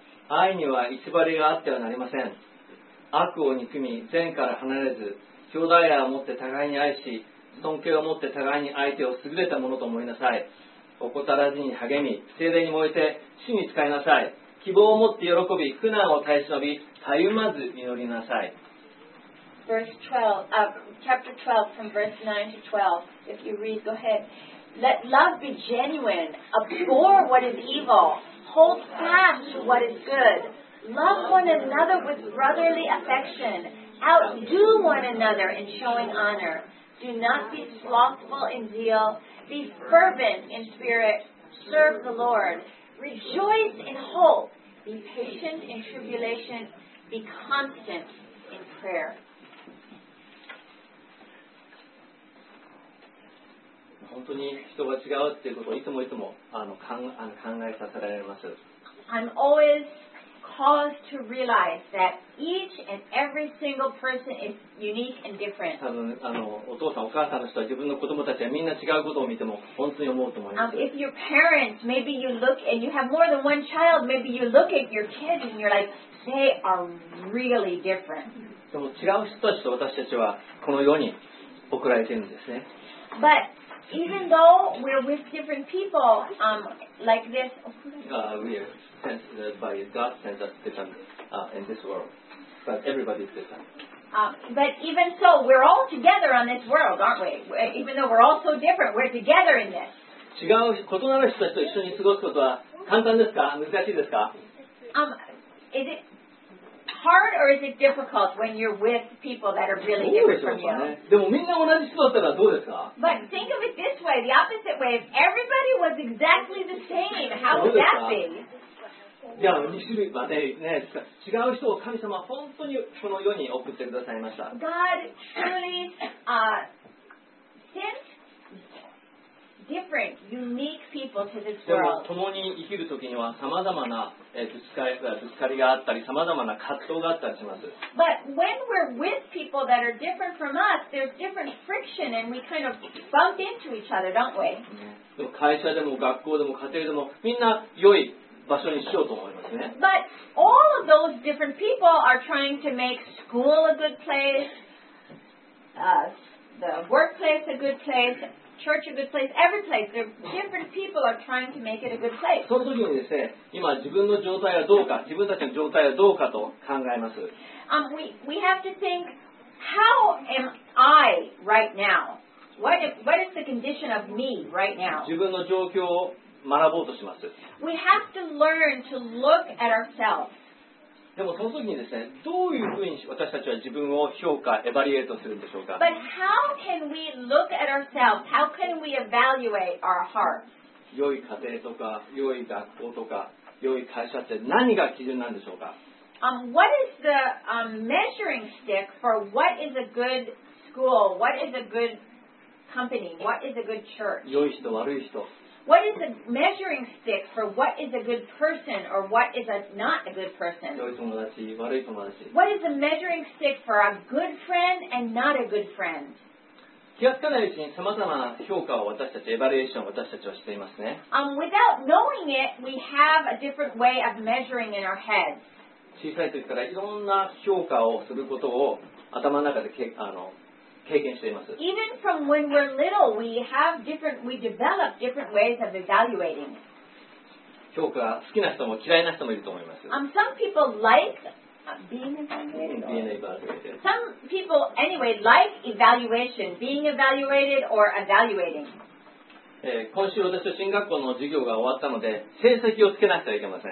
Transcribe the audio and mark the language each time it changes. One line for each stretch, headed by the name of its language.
Japanese: 愛には偽りがあってはなりません。悪を憎み、善から離れず、兄弟愛をもって互いに愛し、尊敬をもって互いに相手を優れたものと思いなさい。怠らずに励み、聖霊に燃えて、主に仕えなさい。希望を持って喜び、苦難を耐え忍び、たゆまず祈りなさい。
English: Verse 12, chapter 12 from verse 9 to 12, if you read, go ahead. Let love be genuine, abhor what is evil, hold fast to what is good. Love one another with brotherly affection, outdo one another in showing honor. Do not be slothful in zeal, be fervent in spirit, serve the Lord. Rejoice in hope, be patient in tribulation, be constant in prayer.
Japanese: 本当に人が違うっていうことをいつもいつも考えさせられます。
English: I'm always caused to realize that each and every single person is unique and different.
Japanese: 多分お父さんお母さんの人は自分の子供たちはみんな違うことを見ても本当に思うと思います。
English: If your parents, maybe you look and you have more than one child, maybe you look at your kids and you're like, they are really different.
Japanese: でも違う人たちと私たちはこの世に送られてるんですね。
English: ButEven though we're with different people, like this, we are sent by God sent us different in this world, but everybody's different. But even so, we're all together on this world, aren't we? Even though we're all so different, we're together in this.
Japanese: 違う異なる人たちと一緒に過ごすことは簡単ですか？難しいですか？
English: Is it hard or is it difficult when you're with people that are really different from you?
Japanese: でもみんな同じ人だったらどうですか？
English: But think of it this way, the opposite way. If everybody was exactly the same, how would that be?
Japanese: いや、2種類までね、違う人を神様は本当にこの世に送ってくださいました。
English: God truly sent different, unique people to this world.
Japanese: でも共に生きるときには様々なぶつかりがあったり、さまざまな葛藤があったりします。
English: But when we're with people that are different from us, there's different friction and we kind of bump into each other, don't we?
Japanese: 会社でも学校でも家庭でもみんな良い場所にしようと思いますね。
English: But all of those different people are trying to make school a good place, the workplace a good place. Church a good place, every place. There are different people are trying to make it a good place.
Japanese: その時にですね、今自分の状態はどうか、自分たちの状態はどうかと考えます。
English: We have to think, how am I right now? What is the condition of me right now?
Japanese: 自分の状況を学ぼうとします。
English: We have to learn to look at ourselves.
Japanese: でもその時にですね、どういうふうに私たちは自分を評価、エバリエートするんでしょうか。
English: But how? How can we look at ourselves? How can we evaluate our hearts?
Japanese: 良い家庭とか良い学校とか良い会社って何が基準なんでしょうか？
English: What is the measuring stick for what is a good school? What is a good company? What is a good church?
Japanese: 良い人悪い人。
English: What is the measuring stick for what is a good person or what is a not a good person?
Japanese: 良い友達、悪い友達。
English: What is the measuring stick for a good friend and not a good friend?
Japanese: 気がつかないうちにさまざまな評価を私たち、エバリエーションを私たちはしていますね。
English: Without knowing it, we have a different way of measuring in our heads.
Japanese: 小さい時からいろんな評価をすることを頭の中で経験しています。
English: Even from when we're little, we develop different ways of evaluating.
Japanese: 評価、好きな人も嫌いな人もいると思います。
English: Some people like. Being evaluated. Some people, anyway, like evaluation, being evaluated or evaluating.
Japanese: 今週私は進学校の授業が終わったので成績をつけなくてはいけません。